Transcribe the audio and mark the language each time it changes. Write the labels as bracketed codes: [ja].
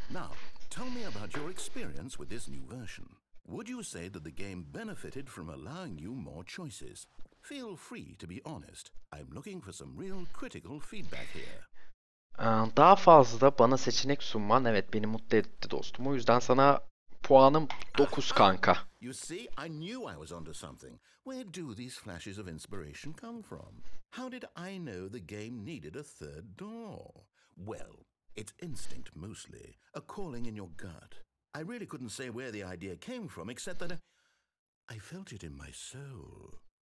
[en] Now, tell me about your experience with this new version. Would you say that the game benefited from allowing you more choices? Feel free to be honest. I'm looking for some real critical feedback here. [tr] Daha fazla da bana seçenek sunman evet beni mutlu etti dostum. O yüzden sana puanım 9 kanka. [en] You see, I knew I was onto something. Where do these flashes of inspiration come from? How did I know the game needed a third door? Well, it's instinct mostly, a calling in your gut. I really couldn't say where the idea came from except that I felt it in my soul.